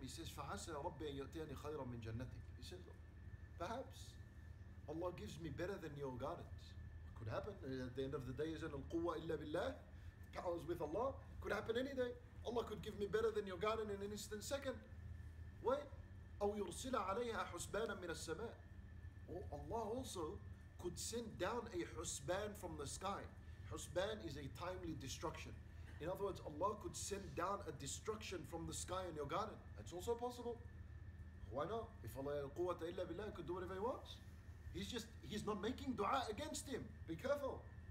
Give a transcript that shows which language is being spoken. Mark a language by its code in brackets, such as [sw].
[en] He says, [ar] فَحَسَى رَبِّي أَنْ يُؤْتِيَنِي خَيْرًا مِنْ جَنَّتِكَ. [en] He says, look, perhaps Allah gives me better than your gardens. Could happen. At the end of the day, isn't [ar] القوة إلا بالله. [en] Powers with Allah, could happen any day. Allah could give me better than your garden in an instant second. Wait. [ar] أو يرسل عليها حسبانا من السماء. [en] Or Allah also could send down a husban from the sky. Husban is a timely destruction. In other words, Allah could send down a destruction from the sky in your garden. That's also possible. Why not? If Allah has the power, [ar] إلا بالله, [en] could do whatever he wants. He's not making dua against him. Be careful.